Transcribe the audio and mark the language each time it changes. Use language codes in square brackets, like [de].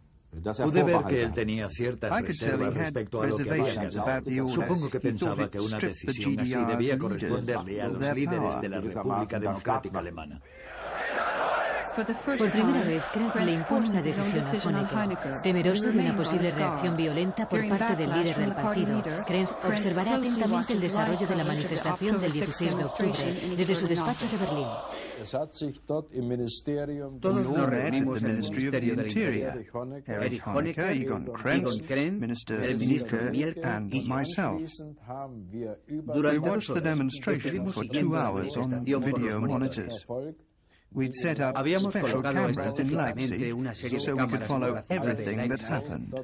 [en] I could tell he had reservations about the orders. [es] Supongo que pensaba que una decisión así debía corresponderle a los líderes de la República Democrática Alemana. Por primera vez, Krenn le impone una decisión a Honecker. Temeroso de una posible reacción violenta por parte del líder del partido, Krenn observará atentamente el desarrollo de la manifestación del 16 de octubre desde su despacho de Berlín. Todos nos reunimos en el Ministerio del Interior. [en] Erich Honecker, Egon Krenn, Minister Mielke and myself. We watched the demonstration for 2 hours on video monitors. We'd set up special cameras in Leipzig so we could follow everything that happened.